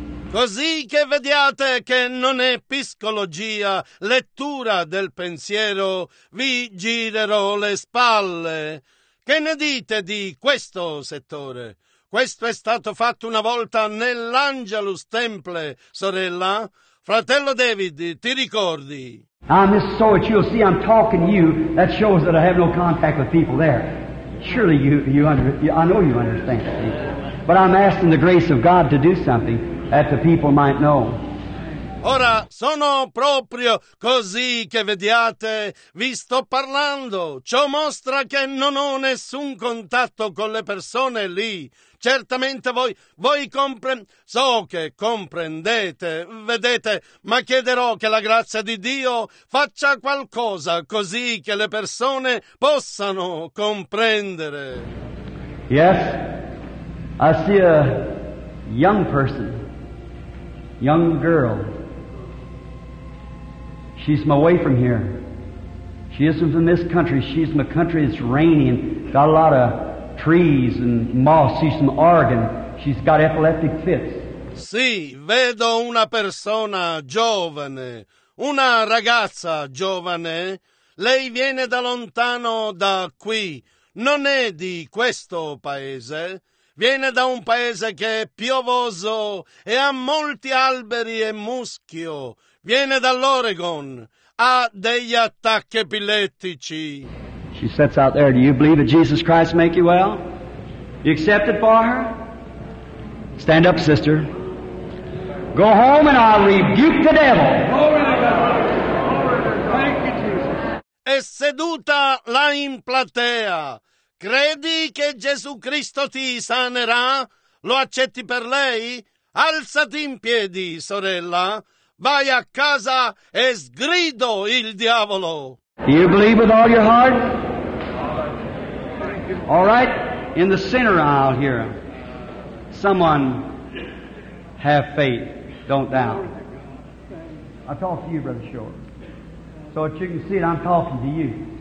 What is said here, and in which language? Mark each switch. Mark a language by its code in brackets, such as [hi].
[it] Così che vediate che non è psicologia, lettura del pensiero, vi girerò le spalle. Che ne dite di questo settore? Questo è stato fatto una volta nell'Angelus Temple, sorella. Fratello David, ti ricordi? [en] I'm just so that you'll see I'm talking to you. That shows that I have no contact with people there. Surely I know you understand. But I'm asking the grace of God to do something that the people might know. [it] Ora, sono proprio così che vediate, vi sto parlando. Ciò mostra che non ho nessun contatto con le persone lì. Certamente voi comprendete, vedete, ma chiederò che la grazia di Dio faccia qualcosa così che le persone possano comprendere. [en] Yes, I see a young person, young girl. She's from away from here. She isn't from this country. She's from a country that's raining, got a lot of trees and moss. She's from Oregon. She's got epileptic fits. [it] Sì, vedo una persona giovane, una ragazza giovane. Lei viene da lontano da qui. Non è di questo paese. Viene da un paese che è piovoso e ha molti alberi e muschio. Viene dall'Oregon. Ha degli attacchi epilettici. [en] She sits out there. Do you believe that Jesus Christ make you well? You accept it for her? Stand up, sister. Go home and I'll rebuke the devil. Thank you, Jesus. [it] È seduta là in platea. Credi che Gesù Cristo ti sanerà? Lo accetti per lei? Alzati in piedi, sorella. Vai a casa e sgrido il diavolo. [en] Do you believe with all your heart? All right, in the center aisle here, someone have faith, don't doubt. I talk to you, Brother Short. So that you can see it, I'm talking to you.